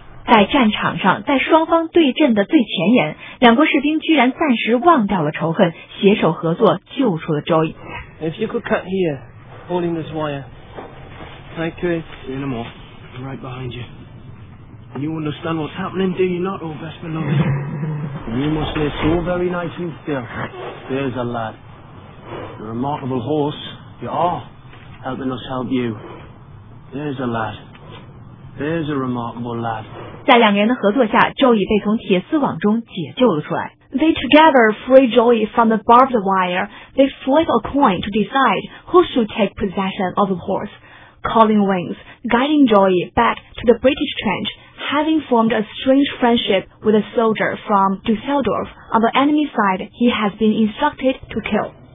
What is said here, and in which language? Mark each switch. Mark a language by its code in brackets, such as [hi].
[zh] 在战场上，在双方对阵的最前沿，两国士兵居然暂时忘掉了仇恨，携手合作救出了 Joey. [en] If you could cut here, holding this wire. I could. See you no more. I'm right behind you. And you understand what's happening, do you not, old best beloved? You must lay so very nice and still. There's a lad. A remarkable horse. You are helping us help you. There's a lad. There's a remarkable lad. [zh] 在两个人的合作下， Joey 被从铁丝网中解救了出来。 [en] They together free Joey from the barbed wire. They flip a coin to decide who should take possession of the horse. Colin wins, guiding Joey back to the British trench, having formed a strange friendship with a soldier from Dusseldorf on the enemy side he has been instructed to kill.